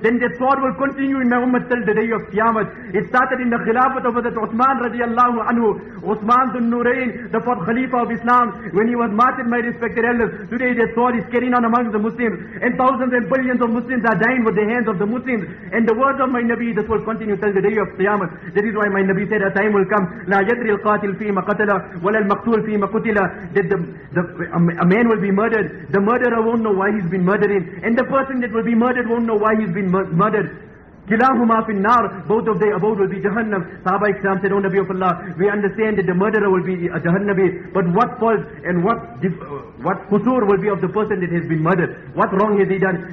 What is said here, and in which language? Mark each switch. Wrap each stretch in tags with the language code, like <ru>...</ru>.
<en>Then this sword will continue in my ummah till the day of Qiyamah. It started in the Khilafat of Hazrat Uthman radiallahu anhu. Uthman bin Nurayn, the fourth Khalifa of Islam, when he was martyred, my respected elders, today this sword is carrying on among the Muslims. And thousands and billions of Muslims are dying with the hands of the Muslims. And the words of my Nabi, this will continue till the day of Qiyamah. That is why my Nabi said, a time will come,</en> <ar>لَا يَدْرِ الْقَاتِلْ فِي مَا قَتَلَ وَلَا الْمَقْتُولُ فِي مَا قُتِلَ.</ar> <en>A man will be murdered, the murderer won't know why he's been murdering, and the person that will be murdered won't know why he's been murdered.</en> <ar>كِلَاهُمَا فِي النَّارِ.</ar> <en>Both of their abode will be Jahannam. Sahaba Ikram said, O Nabi of Allah, we understand that the murderer will be a Jahannabi, but what fault and what kusur will be of the person that has been murdered? What wrong has he done?</en>